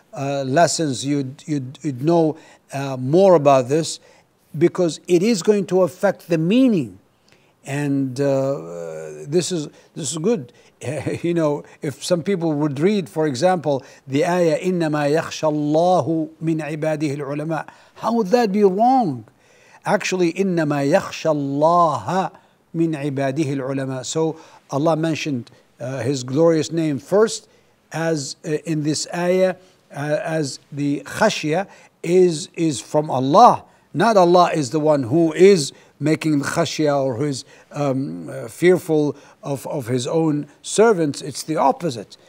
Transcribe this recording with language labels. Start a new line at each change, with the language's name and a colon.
English: lessons, you'd know more about this, because it is going to affect the meaning. And this is good. You know, if some people would read, for example, the ayah,
Arabic: إِنَّمَا يَخْشَ اللَّهُ مِنْ عِبَادِهِ الْعُلَمَاءِ,
English: how would that be wrong?
Arabic: Actually, إِنَّمَا يَخْشَ اللَّهَ مِنْ عِبَادِهِ الْعُلَمَاءِ.
English: So Allah mentioned His glorious name first, as in this ayah, as the khashya is from Allah. Not Allah is the one who is making the khashya, or who is fearful of His own servants. It's the opposite.